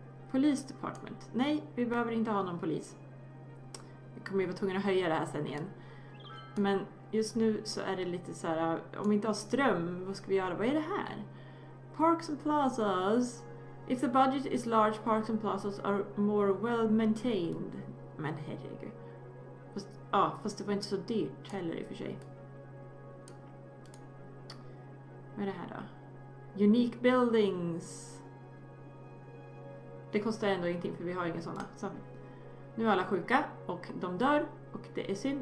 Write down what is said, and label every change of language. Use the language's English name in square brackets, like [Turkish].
[Swedish] Police department. Nej, vi behöver inte ha någon polis. Vi kommer ju vara tvungna att höja det här sen igen. Men just nu så är det lite så här, om vi inte har ström, vad ska vi göra? Vad är det här? Parks and plazas. [English] If the budget is large, parks and plazas are more well maintained. [Swedish] Men herregud. Fast det var inte så dyrt heller i och för sig. Vad är det här då? Unique buildings. Det kostar ändå ingenting för vi har inga sådana. Så. Nu är alla sjuka och de dör och det är synd.